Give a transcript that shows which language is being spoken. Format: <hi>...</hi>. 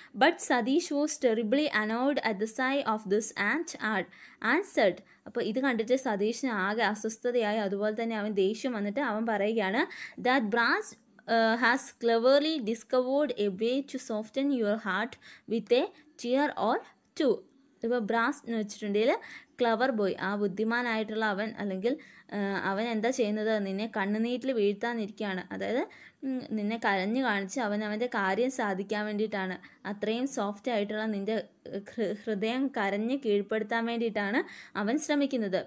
<en>But Satish was terribly annoyed at the sight of this and answered.</en> <ml>അപ്പോൾ ഇത് കണ്ടിട്ട് സതീഷിന് ആകെ അസ്വസ്ഥതയായി. അതുപോലെ തന്നെ അവൻ ദേഷ്യം വന്നിട്ട് അവൻ പറയുകയാണ്,</ml> <en>That brass has cleverly discovered a way to soften your heart with a tear or two.</en> <ml>ഇപ്പോൾ ബ്രാസ് എന്ന് വെച്ചിട്ടുണ്ടെങ്കിൽ ക്ലവർ ബോയ്, ആ ബുദ്ധിമാനായിട്ടുള്ള അവൻ, അല്ലെങ്കിൽ അവൻ എന്താ ചെയ്യുന്നത്? നിന്നെ കണ്ണുനീരിൽ വീഴ്ത്താനിരിക്കുകയാണ്, അതായത് നിന്നെ കരഞ്ഞു കാണിച്ച് അവനവൻ്റെ കാര്യം സാധിക്കാൻ വേണ്ടിയിട്ടാണ്. അത്രയും സോഫ്റ്റ് ആയിട്ടുള്ള നിൻ്റെ ഹൃദയം കരഞ്ഞ് കീഴ്പ്പെടുത്താൻ വേണ്ടിയിട്ടാണ് അവൻ ശ്രമിക്കുന്നത്.</ml>